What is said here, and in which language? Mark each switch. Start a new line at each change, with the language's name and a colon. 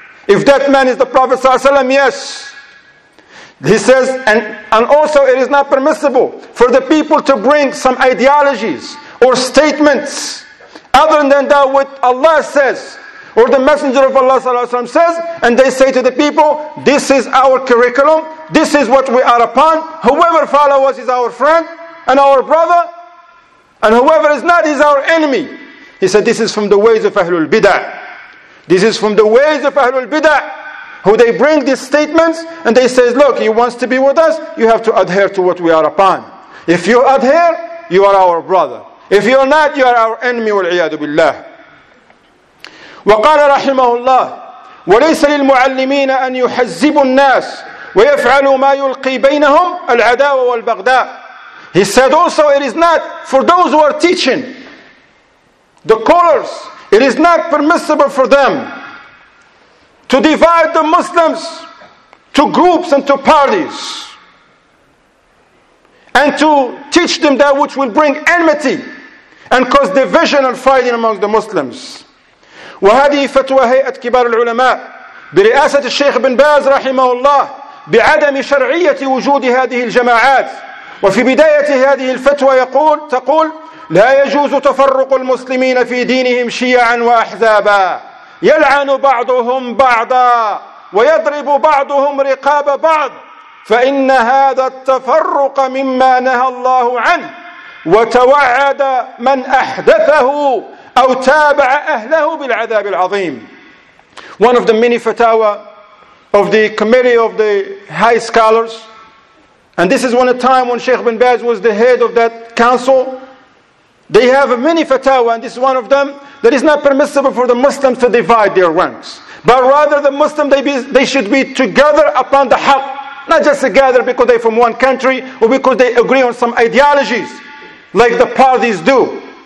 English: If that man is the Prophet sallallahu alaihi wasallam, yes. He says, and also it is not permissible for the people to bring some ideologies or statements other than that what Allah says, or the Messenger of Allah sallallahu alaihi wasallam says, and they say to the people, this is our curriculum, this is what we are upon, whoever follows us is our friend and our brother, and whoever is not is our enemy. He said, this is from the ways of Ahlul Bid'ah. This is from the ways of Ahlul Bid'ah, who they bring these statements, and they say, look, he wants to be with us, you have to adhere to what we are upon. If you adhere, you are our brother. If you are not, you are our enemy,
Arabic: وَالْعِيَادُ بِاللَّهِ. وَقَالَ رَحِمَهُ اللَّهِ وَلَيْسَ لِلْمُعَلِّمِينَ أَنْ يُحَزِّبُوا النَّاسِ ويفعل ما يلقي بينهم العداوة والبغضاء.
English: He said also, it is not for those who are teaching the scholars, it is not permissible for them to divide the Muslims to groups and to parties and to teach them that which will bring enmity and cause division and fighting among the Muslims.
Arabic: وهذه فتوى هيئة كبار العلماء برئاسة الشيخ بن باز رحمه الله بعدم شرعية وجود هذه الجماعات. وفي بداية هذه الفتوى يقول تقول لا يجوز تفرق المسلمين في دينهم شيعا وأحزابا يلعن بعضهم بعضا ويضرب بعضهم رقاب بعض فإن هذا التفرق مما نهى الله عنه وتوعد من أحدثه أو تابع أهله بالعذاب العظيم.
English: One of the many fatwa of the committee of the high scholars, and this is when a time when Sheikh bin Baz was the head of that council, they have a many fatwa, and this is one of them, that is not permissible for the Muslims to divide their ranks, but rather the Muslims they should be together upon the haqq, not just together because they're from one country or because they agree on some ideologies like the parties do.